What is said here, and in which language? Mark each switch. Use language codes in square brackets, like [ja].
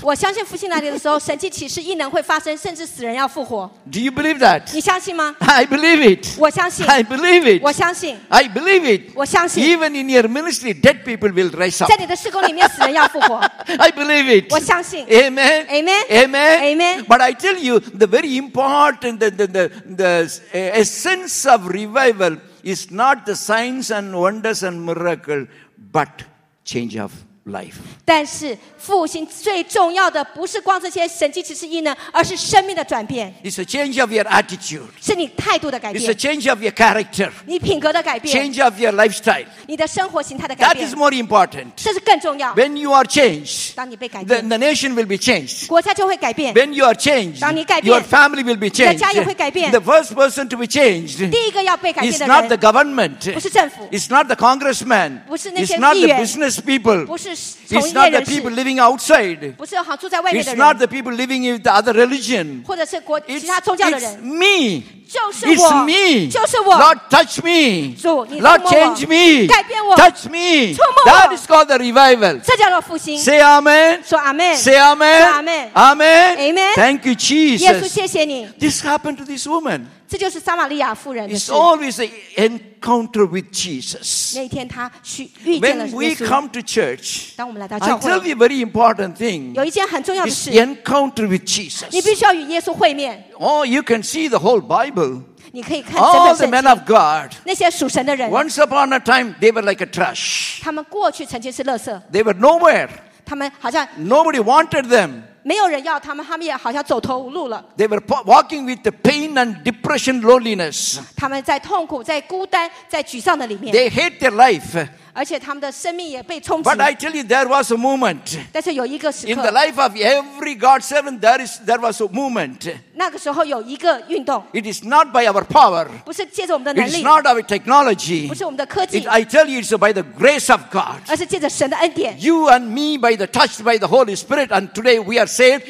[zh] 我相信复兴来临的时候，神迹奇事异能会发生，甚至死人要复活。 [en] Do you believe that? [zh] 你相信吗 [en] ？I believe it. [zh] 我相信。 [en] I believe it. [zh] 我相信。 [en] I believe it. [zh] 我相信。 [en] Even in your ministry, dead people will rise up. [zh] 在你的事工里面，死人要复活。 [en] I believe it. [zh] 我相信。 [en] Amen. Amen. Amen. Amen. But I tell you, the very important the essence of revival is not the signs and wonders and miracle, but change of life. [zh] 但是复兴最重要的不是光这些神迹奇事异能，而是生命的转变。 [en] It's a change of your attitude. [zh] 是你态度的改变。 [en] It's a change of your character. [zh] 你品格的改变。 [en] Change of your lifestyle. [zh] 你的生活形态的改变。 [en] That is more important. [zh] 这是更重要。 [en] When you are changed, [zh] 当你被改变 [en] ，the nation will be changed. [zh] 国家就会改变。 [en] When you are changed, [zh] 当你改变 [en] ，your family will be changed. [zh] 你的家也会改变。 [en] The first person to be changed, [zh] 第一个要被改变的人 [en] is not the government. [zh] 不是政府。 [en] It's not the congressman. [zh] 不是那些议员。 [en] It's not the business people. [zh] 不是。 [en] It's not the people living outside. [zh] 不是住在外面的人。 [en] It's not the people living in the other religion. [zh] 或者是国其他宗教的人。 [en] It's me. [zh] 就是我。 [en] It's me. [zh] 就是我。 [en] Lord, touch me. [zh] 主，你触摸我。 [en] Lord, change me. [zh] 改变我。 [en] Touch me. [zh] 触摸我。 [en] That is called the revival. [zh] 这叫做复兴。 [en] Say amen. [zh] 说 amen. [en] Say amen. [zh] 说 amen. [en] Amen. Amen. Thank you, Jesus. [zh] 耶稣，谢谢你。 [en] This happened to this woman. [zh] 这就是撒玛利亚妇人的事。 [en] It's always an encounter with Jesus. [zh] 那天他去遇见了。 [en] When we come to church, [zh] 当我们来到教会。 [en] I tell you a very important thing. [zh] 有一件很重要的事。 [en] It's encounter with Jesus. [zh] 你必须要与耶稣会面。 [en] Oh, you can see the whole Bible. [zh] 你可以看整个圣经。 [en] All the men of God. [zh] 那些属神的人。 [en] Once upon a time, they were like a trash. [zh] 他们过去曾经是垃圾。 [en] They were nowhere. [zh] 他们好像。 [en] Nobody wanted them. [zh] 没有人要他们，他们也好像走投无路了。 [en] They were walking with the pain and depression, loneliness. [zh] 他们在痛苦、在孤单、在沮丧的里面。 [en] They hate their life. [zh] 而且他们的生命也被冲击。 [en] But I tell you, there was a moment. [zh] 但是有一个时刻。 [en] In the life of every God's servant, there was a moment. It is not by our power. It is not by technology. I tell you, it's by the grace of God. You and me, by the touch by the Holy Spirit, and today we are saved.